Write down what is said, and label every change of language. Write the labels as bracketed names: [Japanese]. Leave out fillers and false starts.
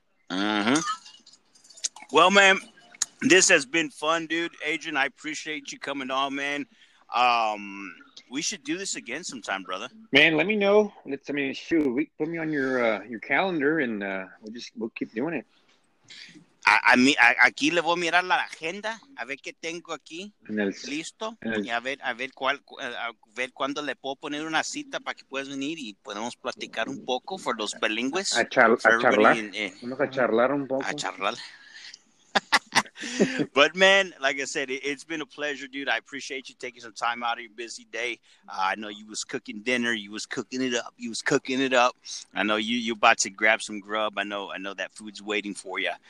[English] Mm-hmm. Well, man, this has been fun, dude. Adrian, I appreciate you coming on, man. We should do this again sometime, brother. Man, let me know. We put me on your calendar, and we'll keep doing it. [Spanish] Aquí le voy a mirar la agenda, a ver qué tengo aquí, listo, y a ver cuándo le puedo poner una cita para que puedas venir y podemos platicar un poco por los bilingües. Vamos a charlar un poco. [English] But man, like I said, it's been a pleasure, dude. I appreciate you taking some time out of your busy day. I know you was cooking dinner. You was cooking it up. I know you're about to grab some grub. I know that food's waiting for you.